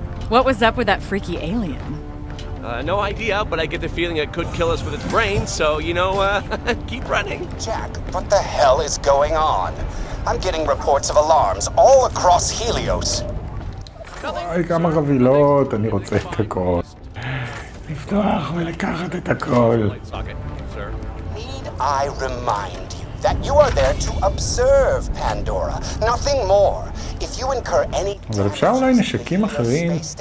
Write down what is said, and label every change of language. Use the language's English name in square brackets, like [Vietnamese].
[English] What was up with that freaky alien? No idea, but I get the feeling it could kill us with its brain, so, you know, keep running. Jack, what the hell is going on? I'm getting reports of alarms all across Helios. [Hebrew] וואי, כמה חבילות, אני רוצה את הכל. לפתוח ולקחת את הכל. [English] Need I remind you that you are there to observe Pandora, nothing more. If you incur any [Hebrew] אבל אפשר אולי נשקים אחרים.